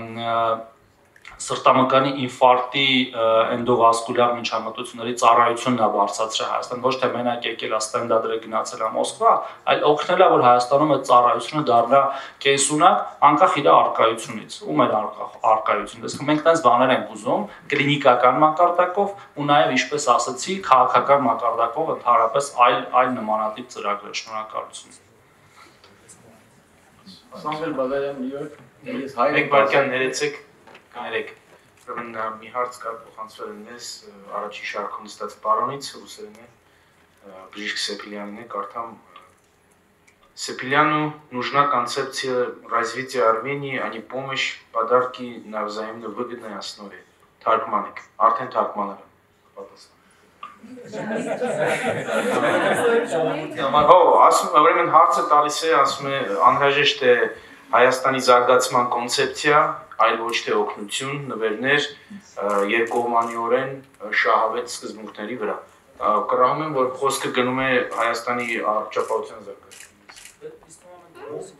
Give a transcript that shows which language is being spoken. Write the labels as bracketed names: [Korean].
[Armenian] էլ սրտամկանի ինֆարկտի էնդովասկուլյար միջամտությունների ծառայությունն է բարձրացրել Հայաստան, ոչ թե մենակ եկել ա ստենդարտը գնացել ա Մոսկվա, այլ օգնել ա, որ Հայաստանում այդ ծառայությունը դառնա կենսունակ անկախ իր առկայությունից, ու մեր առկայությունը, ասենք մենք այնպես բաներ ենք ուզում կլինիկական մակարդակով ու նաև ինչպես ասացի քաղաքական մակարդակով ընդհանրապես այլ նմանատիպ ծրագրեր, շնորհակալություն։ Սամվել Բաբերյան, Նյու Յորք, ես Հայկ Բարքյան, ներեցեք Կարեք, ուրեմն մի հարց կար փոխանցվել ես առաջի շարքում նստած պարոնից, ռուսերեն է, բժիշկ Սեփիլյանին է, կարդամ. [Russian] Սեփիլյանու нужна концепция развития Армении, а не помощь, подарки на взаимно выгодной основе. [Armenian] Թարգմանեք, արդեն թարգմանել եմ, պատասխան. Ասում, ուրեմն հարցը տալիս է, ասում է, անհրաժեշտ է Հայաստանի զարգացման կոնցեպցիա, այլ ոչ թե օգնություն, նվերներ երկկողմանիորեն շահավետ սկզբունքների վրա։ Կարողանում եմ, որ խոսքը գնում է Հայաստանի առողջապահության զարգացման մասին։ Իսկ